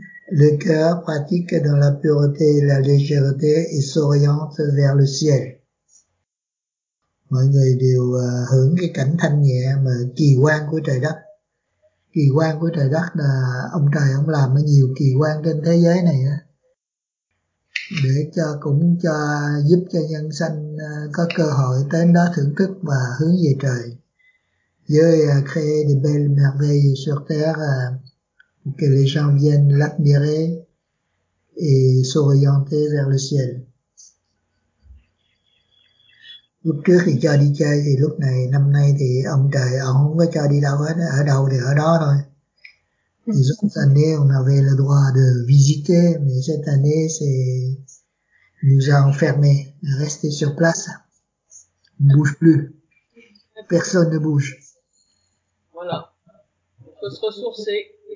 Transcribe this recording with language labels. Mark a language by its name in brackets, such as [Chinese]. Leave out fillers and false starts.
[French] Le cœur pratique dans la pureté et la légèreté et s'oriente vers le ciel. [Vietnamese] Mọi người đều hưởng cái cảnh thanh nhẹ mà kỳ quan của trời đất. Kỳ quan của trời đất là ông trời ông làm nhiều kỳ quan trên thế giới này á. Để cho cũng cho giúp cho nhân sanh có cơ hội tới đó thưởng thức và hướng về trời. Dieu a créé des belles merveilles sur terre. Que les gens viennent l'admirer et s'orienter vers le ciel. Lúc trước thì cho đi chơi thì lúc này năm nay thì ông trời ông không có cho đi đâu hết, ở đâu thì ở đó thôi. [French] Thì cette année on avait le droit de visiter, mais cette année c'est nous a enfermé, rester sur place, on bouge plus, personne ne bouge. Voilà, il faut se ressourcer.